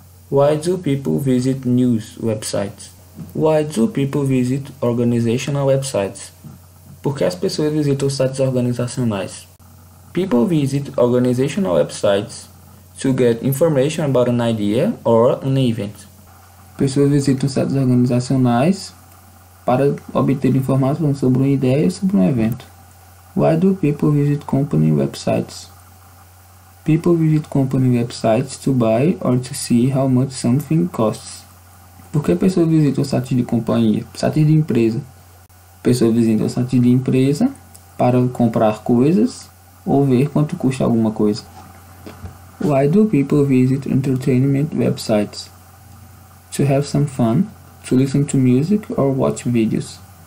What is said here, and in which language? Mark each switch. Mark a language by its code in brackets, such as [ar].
[en] Why do people visit news websites? Why do people visit organizational websites? [pt] Por que as pessoas visitam sites organizacionais? [en] People visit organizational websites to get information about an idea or an event. [pt] Pessoas visitam sites organizacionais para obter informação sobre uma ideia ou sobre um evento. [en] Why do people visit company websites? People visit company websites to buy or to see how much something costs. [pt] Por que pessoas visitam sites de companhia, sites de empresa? Pessoas visitam sites de empresa para comprar coisas ou ver quanto custa alguma coisa. [en] Why do people visit entertainment websites? To have some fun, to listen to music or watch videos.